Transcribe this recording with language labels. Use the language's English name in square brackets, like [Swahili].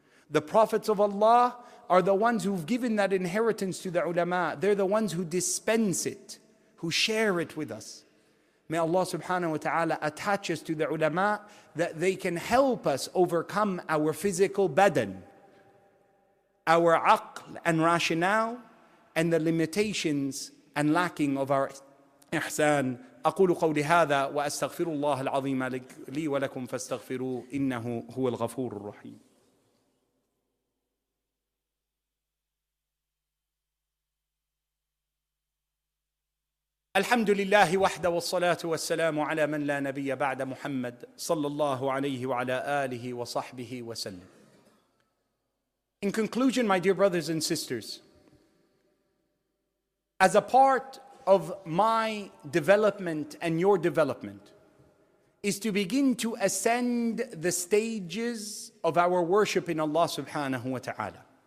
[English] The prophets of Allah are the ones who've given that inheritance to the ulama. They're the ones who dispense it, who share it with us. May Allah subhanahu wa ta'ala attach us to the ulama, that they can help us overcome our physical badan, our aql and rationale, and the limitations and lacking of our ihsan. [Arabic] أقول قولي هذا وأستغفر الله العظيم لي ولكم فاستغفروه إنه هو الغفور الرحيم. الحمد لله وحده والصلاة والسلام على من لا نبي بعد محمد صلى الله عليه وعلى آله وصحبه وسلم. [English] In conclusion, my dear brothers and sisters, as a part of my development and your development is to begin to ascend the stages of our worship in Allah subhanahu wa ta'ala.